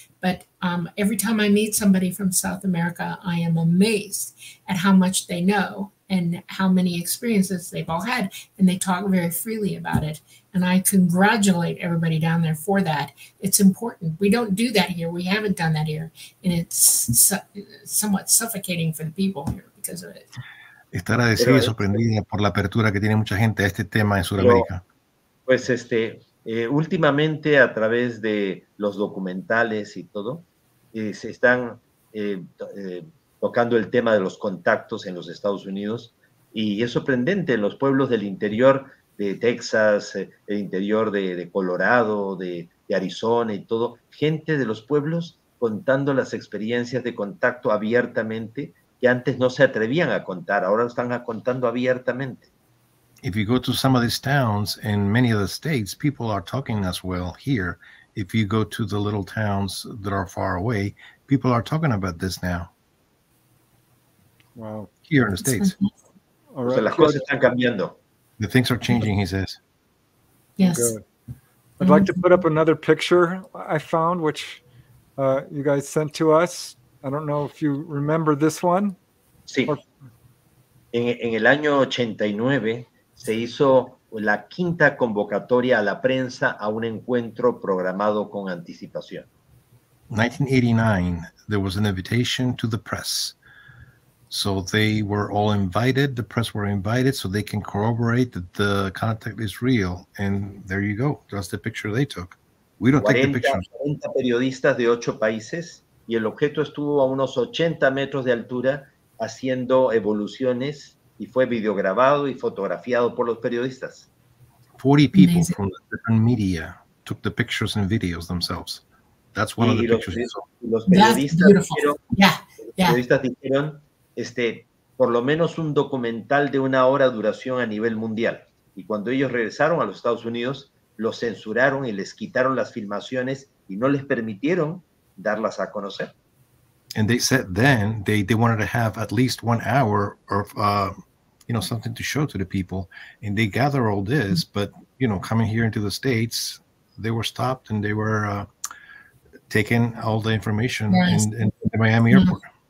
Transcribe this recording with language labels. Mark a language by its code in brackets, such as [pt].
[en] But every time I meet somebody from South America, I am amazed at how much they know and how many experiences they've all had. And they talk very freely about it. And I congratulate everybody down there for that. It's important. We don't do that here. We haven't done that here. And it's somewhat suffocating for the people here because of it. [es] Está agradecida y sorprendida por la apertura que tiene mucha gente a este tema en Sudamérica. Pues últimamente a través de los documentales y todo, se están tocando el tema de los contactos en los Estados Unidos y es sorprendente en los pueblos del interior de Texas, el interior de Colorado, de Arizona y todo, gente de los pueblos contando las experiencias de contacto abiertamente que antes no se atrevían a contar, ahora lo están contando abiertamente. [en] If you go to some of these towns in many of the states, people are talking as well here. If you go to the little towns that are far away, people are talking about this now. Wow. Here in the States. [es] All right. So las cosas están cambiando. [en] The things are changing, he says. Yes. Good. I'd like to put up another picture I found, which you guys sent to us. I don't know if you remember this one. [es] Sí. En el año 89 se hizo la quinta convocatoria a la prensa a un encuentro programado con anticipación. [en] 1989, there was an invitation to the press. So they were all invited, the press were invited, so they can corroborate that the contact is real. And there you go, that's the picture they took. We don't 40, take the picture. [es] 40 periodistas de 8 países, y el objeto estuvo a unos 80 metros de altura haciendo evoluciones, y fue videograbado y fotografiado por los periodistas. [en] 40 people amazing. From the different media took the pictures and videos themselves. That's one [es] y [en] of the [es] los, [en] pictures. [es] Los periodistas dijeron, los periodistas dijeron, por lo menos un documental de una hora de duración a nivel mundial. Y cuando ellos regresaron a los Estados Unidos, los censuraron y les quitaron las filmaciones y no les permitieron darlas a conocer. [en] And they said then they wanted to have at least 1 hour of, you know, something to show to the people. And they gather all this, but, you know, coming here into the States, they were stopped and they were taking all the information in the Miami airport.